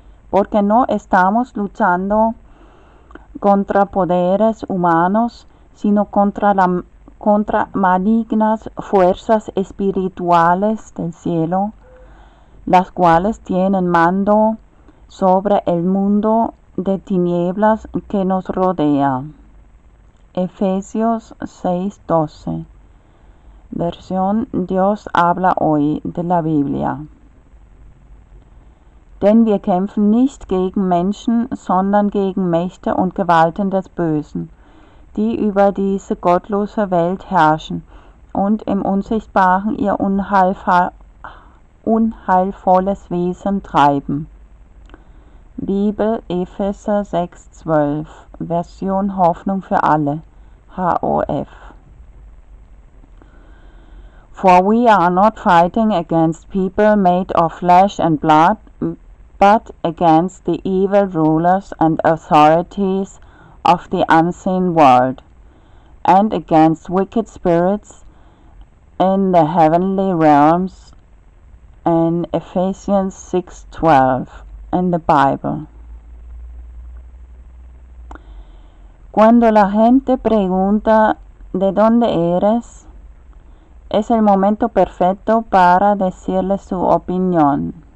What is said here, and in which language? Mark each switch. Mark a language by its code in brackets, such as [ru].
[es] Porque no estamos luchando contra poderes humanos, sino contra malignas fuerzas espirituales del cielo, las cuales tienen mando sobre el mundo de tinieblas que nos rodea. Efesios 6:12, versión Dios habla hoy de la Biblia. [de] Denn wir kämpfen nicht gegen Menschen, sondern gegen Mächte und Gewalten des Bösen, die über diese gottlose Welt herrschen und im Unsichtbaren ihr unheilvolles Wesen treiben. Bibel, Epheser 6,12, Version Hoffnung für alle, HOF. [en] For we are not fighting against people made of flesh and blood, but against the evil rulers and authorities of the unseen world, and against wicked spirits in the heavenly realms, in Ephesians 6:12, in the Bible. [es] Cuando la gente pregunta de dónde eres, es el momento perfecto para decirle su opinión.